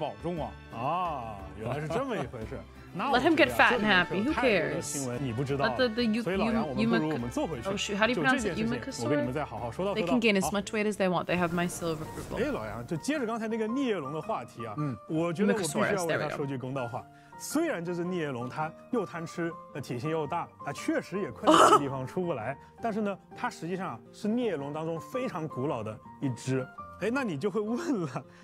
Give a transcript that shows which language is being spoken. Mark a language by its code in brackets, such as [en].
[zh] 我还是非常在意刚才说的吃果子这个事儿。我听过一个关于你们聂龙的八卦，不知道你听过没有？我感觉不是什么好八卦。我听说有一只聂龙平时不是很自律，然后呢，因为吃了太多的果子，导致身材发福，在洞穴下面再也回不来了。鸡哥，你可一定得保重啊！啊，原来是这么一回事。 [en] Let him get fat and happy. Who cares? Let the youth. Oh shoot, how do you pronounce it? Yumikasaur? They can gain as much weight as they want. They have my seal of approval. [zh] Hey, 老杨，就接着刚才那个聂龙的话题啊，我觉得我必须要为他说句公道话。虽然这只聂龙它又贪吃，体型又大，它确实也困在这地方出不来。但是呢，它实际上是聂龙当中非常古老的一只。哎，那你就会问了。